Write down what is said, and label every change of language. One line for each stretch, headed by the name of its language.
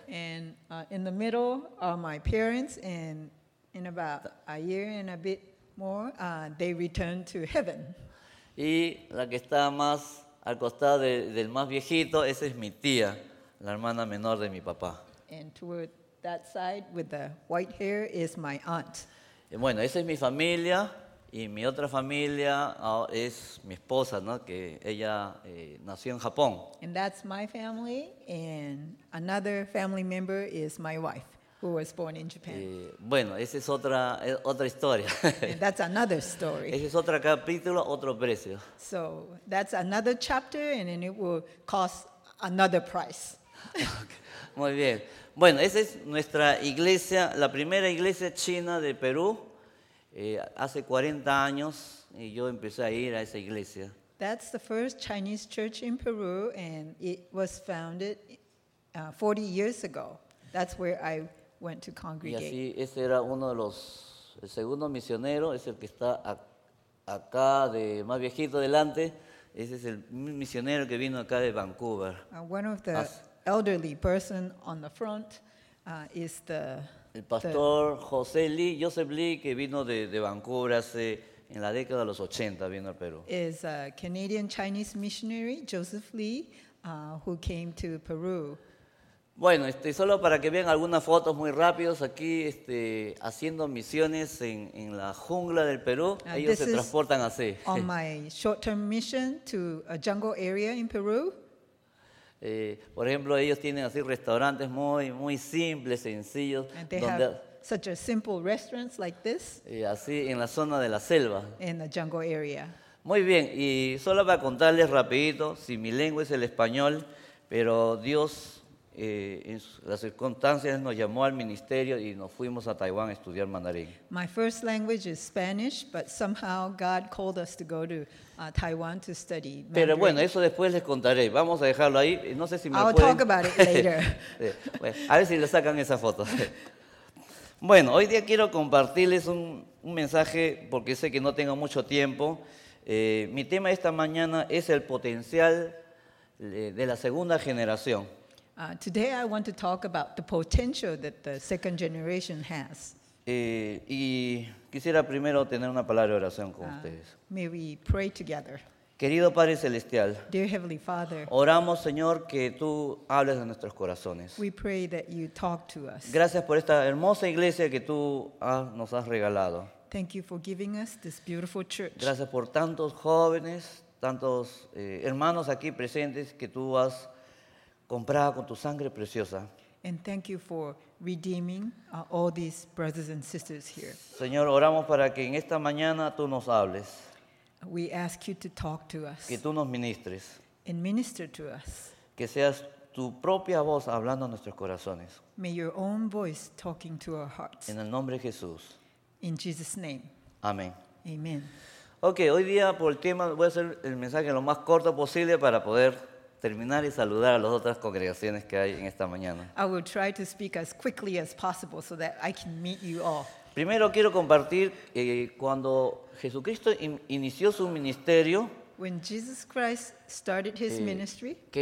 English: And in the middle are my parents, and in about a year and a bit more, they returned to heaven.
Spanish: Y la que está más al costado del más viejito, esa es mi tía, la hermana menor de mi papá.
English: And toward that side with the white hair is my aunt.
Spanish: Y bueno, esa es mi familia y mi otra familia es mi esposa, ¿no? Que ella nació en Japón.
English: And that's my family and another family member is my wife. Who was born in Japan.
Spanish: Bueno, esa es otra historia.
English: And that's another story.
Spanish: Ese es otro capítulo, otro precio.
English: So that's another chapter, and then it will cost another price.
Spanish: Muy bien. Bueno, esa es nuestra iglesia, la primera iglesia china de Perú. Hace 40 años y yo empecé a ir a esa iglesia.
English: That's the first Chinese church in Peru, and it was founded 40 years ago. That's where I went to congregate.
Spanish: Y así, ese era uno de los, el segundo misionero, es el que está acá, de más viejito delante, ese es el misionero que vino acá de Vancouver.
English: One of the elderly person on the front is the
Spanish: el pastor José Lee, Joseph Lee, que vino de Vancouver hace en la década de los 80 vino al Perú.
English: Is a Canadian Chinese missionary, Joseph Lee, who came to Peru.
Spanish: Bueno, solo para que vean algunas fotos muy rápidas aquí haciendo misiones en la jungla del Perú, ellos se transportan así.
English: On my short-term mission to a jungle area in Peru.
Spanish: Por ejemplo, ellos tienen así restaurantes muy muy simples, sencillos.
English: And they
Spanish: donde,
English: have such a simple restaurants like this.
Spanish: Así en la zona de la selva.
English: In the jungle area.
Spanish: Muy bien, y solo para contarles rapidito, si mi lengua es el español, pero Dios en las circunstancias nos llamó al ministerio y nos fuimos a Taiwán a estudiar mandarín.
English: My first language is Spanish, but somehow God called us to go to Taiwan to study mandarín.
Spanish: Pero bueno, eso después les contaré. Vamos a dejarlo ahí. No sé si me
English: I'll
Spanish: pueden
English: talk about it later.
Spanish: A ver si le sacan esa foto. Bueno, hoy día quiero compartirles un mensaje porque sé que no tengo mucho tiempo. Mi tema esta mañana es el potencial de la segunda generación.
English: Today I want to talk about the potential that the second generation has.
Spanish: Y quisiera primero tener una palabra de oración con ustedes.
English: May we pray together.
Spanish: Querido Padre Celestial,
English: Dear Heavenly Father,
Spanish: oramos, Señor, que tú hables a nuestros corazones.
English: We pray that you talk to us.
Spanish: Gracias por esta hermosa iglesia que tú nos has regalado.
English: Thank you for giving us this beautiful church.
Spanish: Gracias por tantos jóvenes, tantos hermanos aquí presentes que tú has comprado con tu sangre preciosa.
English: And thank you for redeeming all these brothers and sisters here.
Spanish: Señor, oramos para que en esta mañana tú nos hables.
English: We ask you to talk to us.
Spanish: Que tú nos ministres.
English: And minister to us.
Spanish: Que seas tu propia voz hablando a nuestros corazones.
English: May your own voice talking to our hearts.
Spanish: En el nombre de Jesús.
English: In Jesus' name.
Spanish: Amén.
English: Amen.
Spanish: Okay, hoy día por el tema voy a hacer el mensaje lo más corto posible para poder terminar y saludar a las otras congregaciones que hay en esta mañana.
English: I will try to speak as quickly as possible so that I can meet you all.
Spanish: Primero quiero compartir cuando Jesucristo inició su ministerio.
English: When Jesus Christ started his ministry.